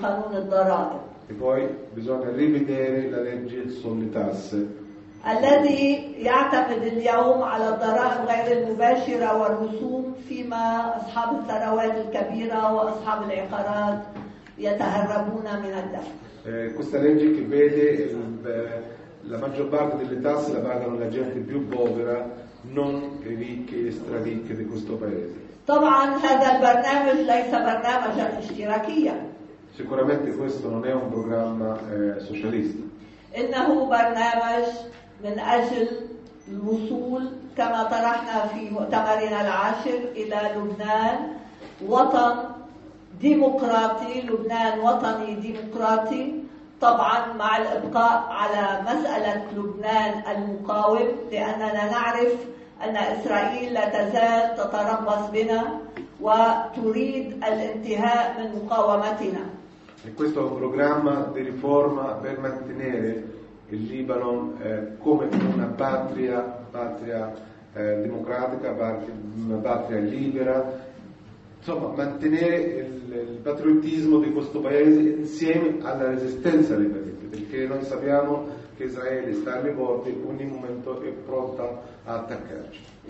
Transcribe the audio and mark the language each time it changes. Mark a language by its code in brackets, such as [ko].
[it] E poi bisogna rivedere la legge sulle tasse. [ar] الذي يعتمد اليوم على الضرائب غير المباشرة والرسوم فيما أصحاب الثروات الكبيرة وأصحاب العقارات يتهربون من الدفع. [it] Questa legge che vede la maggior parte delle tasse la pagano la gente più povera, non le ricche e straricche di questo paese. [ar] طبعا هذا البرنامج ليس برنامجا اشتراكيا. [it] Sicuramente questo non è un programma socialista. [ar] إنه برنامج من أجل الوصول كما طرحنا في مؤتمرنا العاشر إلى لبنان وطن ديمقراطي، لبنان وطني ديمقراطي، طبعا مع الإبقاء على مسألة لبنان المقاوم، لأننا نعرف أن إسرائيل لا تزال تتربص بنا وتريد الانتهاء من مقاومتنا. [it] Questo è un programma di riforma per mantenere il Libano come una patria democratica, una patria libera, insomma mantenere il patriottismo di questo paese insieme alla resistenza libanese, perché noi sappiamo che Israele sta alle porte, ogni momento è pronta a attaccarci.